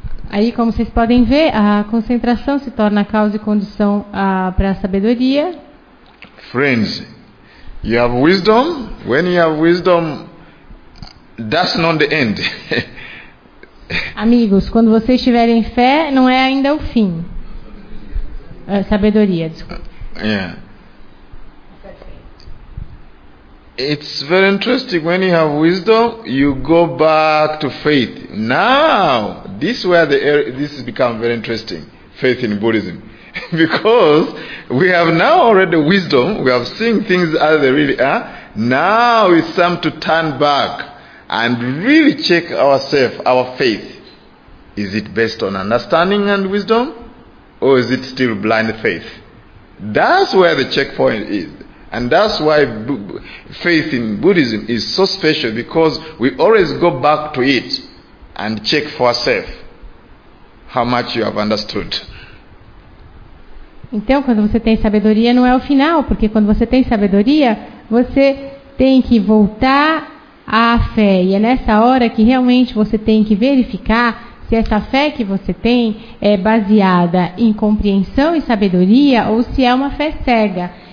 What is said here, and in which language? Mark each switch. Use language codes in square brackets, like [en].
[pt] Aí, como vocês podem ver, a concentração se torna causa e condição para a sabedoria. [en] Friends. You have wisdom. When you have wisdom, that's not the end. [pt] Amigos, quando vocês tiverem fé, não é ainda o fim. Sabedoria, desculpa. [en] Yeah. It's very interesting. When you have wisdom, you go back to faith. Now, this is where this has become very interesting. Faith in Buddhism. Because we have now already wisdom, we have seen things as they really are. Now it's time to turn back and really check ourselves, our faith. Is it based on understanding and wisdom, or is it still blind faith? That's where the checkpoint is, and that's why faith in Buddhism is so special, because we always go back to it and check for ourselves how much you have understood. [pt] Então, quando você tem sabedoria, não é o final, porque quando você tem sabedoria, você tem que voltar à fé. E é nessa hora que realmente você tem que verificar se essa fé que você tem é baseada em compreensão e sabedoria ou se é uma fé cega.